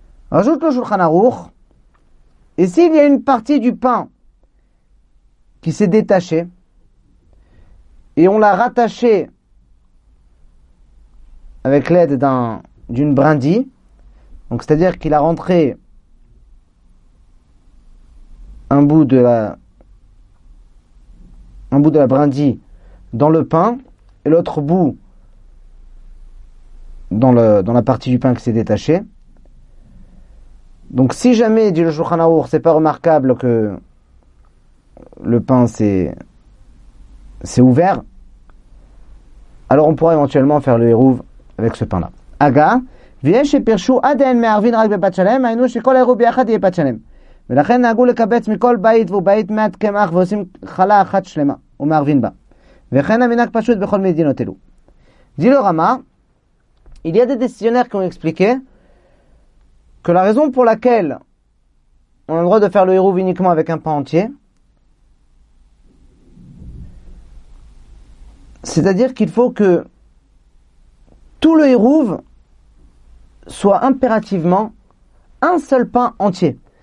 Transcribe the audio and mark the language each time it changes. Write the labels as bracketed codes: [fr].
[fr] Rajoute le Shulchan Aruch, et s'il y a une partie du pain qui s'est détachée, et on l'a rattachée avec l'aide d'une brindille, donc c'est-à-dire qu'il a rentré un bout de la brindille dans le pain et l'autre bout dans la partie du pain qui s'est détaché. Donc si jamais, dit le Shulchan Aruch, c'est pas remarquable que le pain s'est ouvert, alors on pourra éventuellement faire le hirouv avec ce pain-là. [he] Aga ויש שפרשו עד אין מערבין רק בבת שלם, היינו שכל הירוב ביחד יהיה בת שלם. ולכן נהגו לקבץ מכל בית ובית מעט קמח ועושים חלה אחת שלמה ומערבין בה. וכן המנהג פשוט בכל מדינות אלו. [fr] Dit le Rama, il y a des décisionnaires qui ont expliqué que la raison pour laquelle on a le droit de faire le hirouv uniquement avec un pain entier, c'est-à-dire qu'il faut que tout le hirouv soit impérativement un seul pain entier.